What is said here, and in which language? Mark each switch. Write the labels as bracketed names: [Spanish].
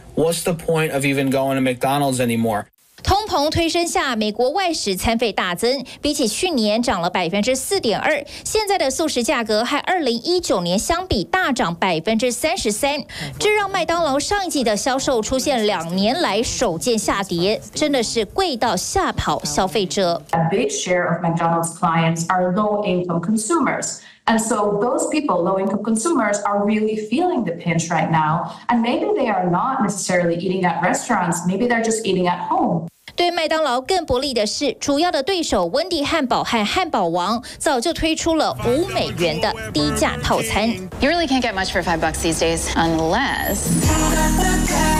[English] What's the point of even going to McDonald's anymore? [Chinese] 通膨推升下，美国外食餐费大增，比起去年涨了 4.2%， 现在的速食价格和2019年相比大涨 33%， 这让麦当劳上一季的销售出现两年来首见下跌，真的是贵到吓跑消费者。 [English] A big share of McDonald's clients are low-income consumers, and so those people, low-income consumers, are really feeling the pinch right now. And maybe they are not necessarily eating at restaurants. Maybe they're just eating at home. [Chinese] 对麦当劳更不利的是，主要的对手温蒂汉堡和汉堡王早就推出了$5的低价套餐。 [English] You really can't get much for $5 these days, unless.